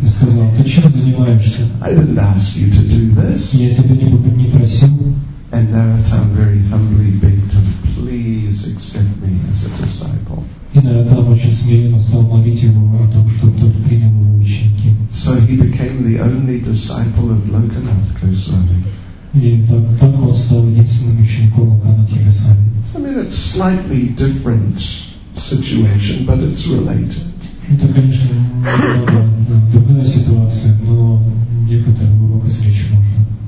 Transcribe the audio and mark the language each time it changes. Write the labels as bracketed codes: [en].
[ru] И сказал, ты чем занимаешься? [en] I didn't ask you to do this. [ru] Я тебя не просил. [en] And Naratam very humbly begged him, please accept me as a disciple. [ru] И Наратам очень смиренно стал молить его о том, чтобы тот принял его ученики. [en] So he became the only disciple of Lokanath Goswami. [ru] И так он стал единственным учеником Лакнанатха Госвами. [en] I mean, it's slightly different situation, but it's related. [ru] Это, конечно, другая ситуация, но некоторые уроки с речи можно.